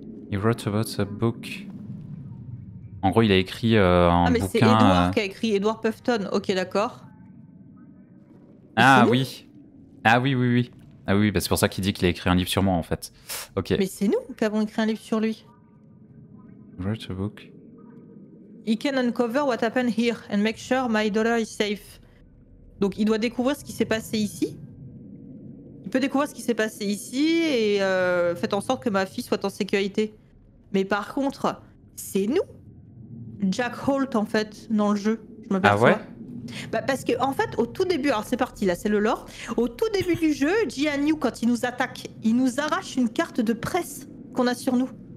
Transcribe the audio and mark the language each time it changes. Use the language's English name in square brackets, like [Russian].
[English] He wrote about a book. [French] En gros, il a écrit un bouquin... Ah, mais c'est Edward qui a écrit, Edward Pufton. Ok, d'accord. Ah, oui. Ah, oui. Ah, oui, bah, c'est pour ça qu'il dit qu'il a écrit un livre sur moi, en fait. Ok. Mais c'est nous qui avons écrit un livre sur lui. [English] Write a book. He can uncover what happened here and make sure my daughter is safe. [French] Donc, il doit découvrir ce qui s'est passé ici. Il peut découvrir ce qui s'est passé ici et faire en sorte que ma fille soit en sécurité. Mais par contre, c'est nous. Jack Holt, en fait, dans le jeu, je m'aperçois. Ah ouais? Bah parce que en fait, au tout début, alors c'est parti, là, c'est le lore. Au tout début du jeu, Jian Yu, quand il nous attaque, il nous arrache une carte de presse qu'on a sur nous.